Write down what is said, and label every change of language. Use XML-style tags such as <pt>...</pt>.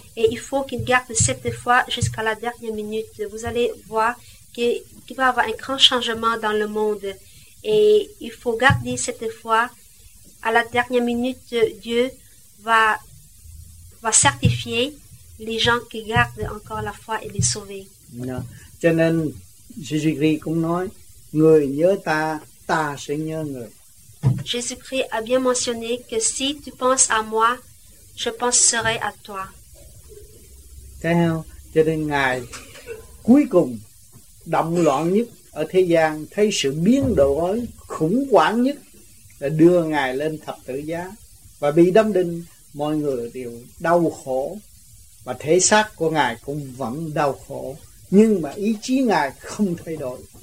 <fr>Et il faut qu'ils gardent cette foi jusqu'à la dernière minute. Vous allez voir qu'il va y avoir un grand changement dans le monde. Et il faut garder cette foi. À la dernière minute, Dieu va certifier les gens qui gardent encore la foi et les sauver.</fr> <vi>Cho nên, Jésus-Christ cũng nói, người nhớ ta, ta sẽ nhớ người.</vi> <fr>Jésus-Christ a bien mentionné que si tu penses à moi, je penserai à toi.</fr> <vi>Thấy không? Cho nên Ngài cuối cùng động loạn nhất ở thế gian, thấy sự biến đổi khủng hoảng nhất là đưa Ngài lên thập tự giá và bị đâm đinh. Mọi người đều đau khổ và thể xác của Ngài cũng vẫn đau khổ, nhưng mà ý chí Ngài không thay đổi.</vi>